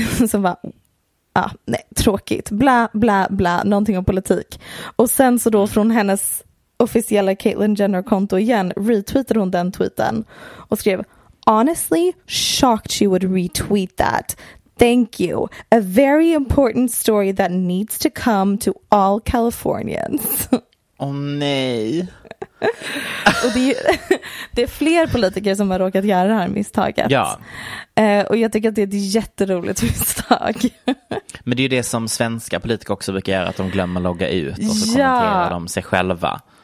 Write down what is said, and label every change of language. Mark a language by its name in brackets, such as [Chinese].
[Swedish] Som var nej, tråkigt, bla bla bla, någonting om politik. Och sen så då från hennes officiella Caitlyn Jenner-konto igen retweetade hon den tweeten och skrev, [English] honestly shocked she would retweet that. Thank you. A very important story that needs to come to all Californians. [Swedish] Oh, nej. Och det är fler politiker som har råkat göra det här misstaget. Ja. Och jag tycker att det är ett jätteroligt misstag. Men det är ju det som svenska politiker också brukar göra, att de glömmer logga ut och så kommenterar de sig själva.